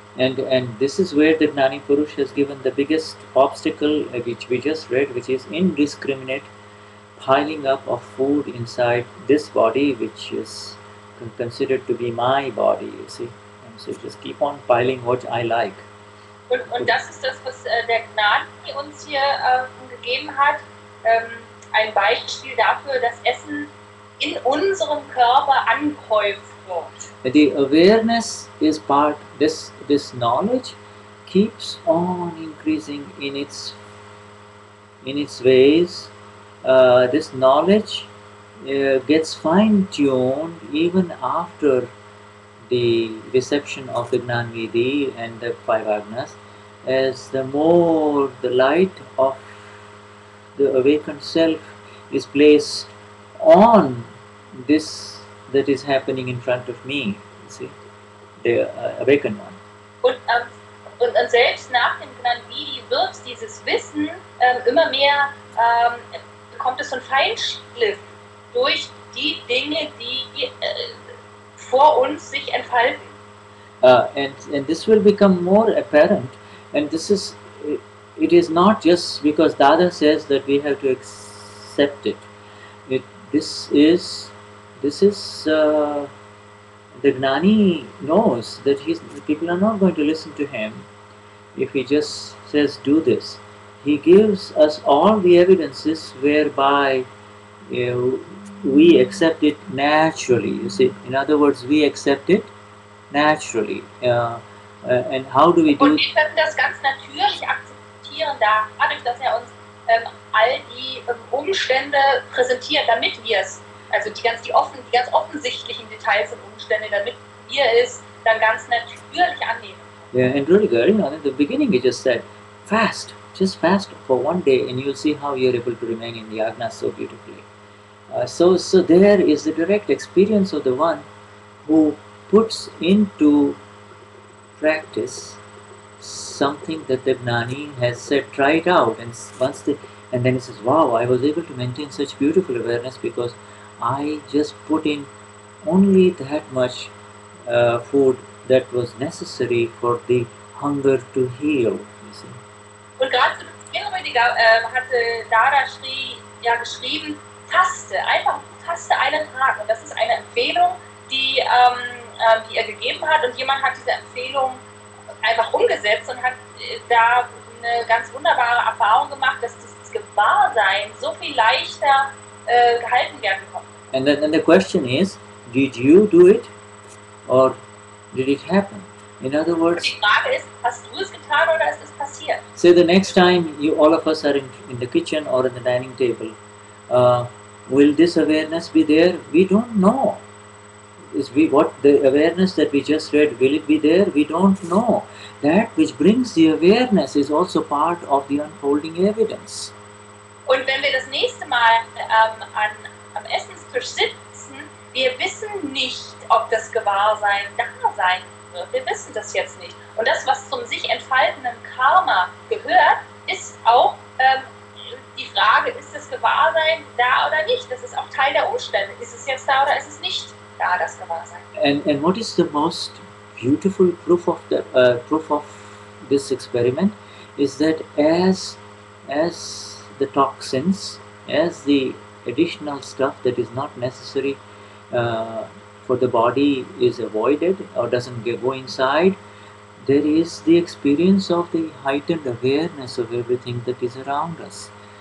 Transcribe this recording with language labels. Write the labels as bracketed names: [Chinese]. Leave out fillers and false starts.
[English] And this is where the Gnani Purush has given the biggest obstacle, which we just read, which is indiscriminate piling up of food inside this body, which is considered to be my body, you see. And so just keep on piling what I like. [German] Und das ist das, was der Gnani uns hier gegeben hat, ein Beispiel dafür, dass Essen in unserem Körper ankäuft. [English] The awareness is part, this knowledge keeps on increasing in its ways. This knowledge gets fine-tuned even after the reception of the Gnanvidhi and the five agnas, as the more the light of the awakened self is placed on this that is happening in front of me, you see, the awakened one. [German] Und selbst nach dem Gnanvidhi wird dieses Wissen immer mehr, bekommt es so einen Feinschliff durch die Dinge, die vor uns sich entfalten. [English] And this will become more apparent, and this is, it is not just because Dada says that we have to accept it. The Gnani knows that people are not going to listen to him if he just says do this. He gives us all the evidences whereby we accept it naturally, you see. In other words, we accept it naturally. And how do we do it? [German] Und wir können das ganz natürlich akzeptieren, dadurch, dass er uns all die Umstände präsentiert, damit wir es. Also die ganz offensichtlichen Details und Umstände, damit wir es dann ganz natürlich annehmen. [English] Yeah, and Rudiger, you know, in the beginning you just said, fast, just fast for one day and you'll see how you're able to remain in the Agna so beautifully. So there is the direct experience of the one who puts into practice something that the Gnani has said, try it out, and then he says, wow, I was able to maintain such beautiful awareness because I just put in only that much food that was necessary for the hunger to heal, you see. [German] Und gerade zu Beginn, Rüdiger, hatte Dadashri ja geschrieben, taste einen Tag. Und das ist eine Empfehlung, die er gegeben hat. Und jemand hat diese Empfehlung einfach umgesetzt und hat da eine ganz wunderbare Erfahrung gemacht, dass dieses Gewahrsein so viel leichter gehalten werden konnte. [English] And then the question is, did you do it or did it happen? In other words, [German] die Frage ist, hast du es getan oder ist es passiert? [English] So the next time you all of us are in the kitchen or in the dining table, will this awareness be there? We don't know. What the awareness that we just read, will it be there? We don't know. That which brings the awareness is also part of the unfolding evidence. [German] Und wenn wir das nächste Mal am Essenstisch sitzen, wir wissen nicht, ob das Gewahrsein da sein wird. Wir wissen das jetzt nicht. Und das, was zum sich entfaltenden Karma gehört, ist auch die Frage, ist das Gewahrsein da oder nicht? Das ist auch Teil der Umstände. Ist es jetzt da oder ist es nicht da, das Gewahrsein? [English] And what is the most beautiful proof of the proof of this experiment is that as the toxins, as the additional stuff that is not necessary for the body is avoided or doesn't go inside, there is the experience of the heightened awareness of everything that is around us.